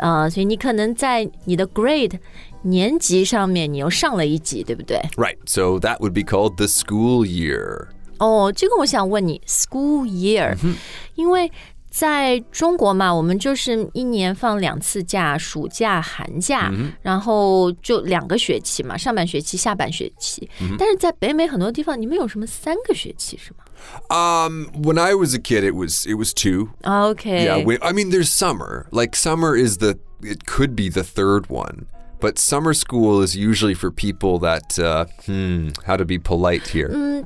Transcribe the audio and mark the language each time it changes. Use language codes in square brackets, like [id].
[zh] 所以你可能在你的 grade 年级上面你又上了一级，对不对？ [en] Right, so that would be called the school year. [zh] 哦，这个我想问你 school year, 因为在中国嘛，我们就是一年放两次假，暑假、寒假，然后就两个学期嘛，上半学期、下半学期。但是在北美很多地方，你们有什么三个学期是吗？ [en] When I was a kid, it was two. Okay. Yeah, I mean, there's summer. Like summer is the, it could be the third one. But summer school is usually for people that, how to be polite here.